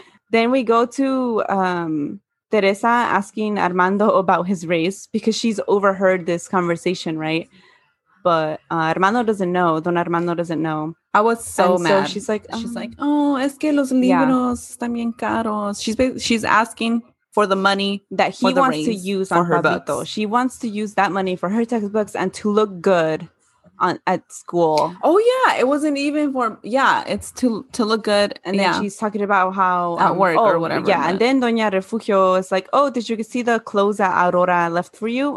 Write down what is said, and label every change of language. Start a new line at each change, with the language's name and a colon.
English: Then we go to Teresa asking Armando about his race because she's overheard this conversation, right? But Armando doesn't know. Don Armando doesn't know. I was so mad. So she's like, oh,
Spanish: es que los libros están bien caros.
English: She's asking for the money that he wants to use on her books. She wants to use that money for her textbooks and to look good at school. Oh, yeah. It wasn't even for... Yeah, it's to look good. And then she's talking about how... At work or whatever. Yeah, and then Doña Refugio is like, oh, did you see the clothes that Aurora left for you?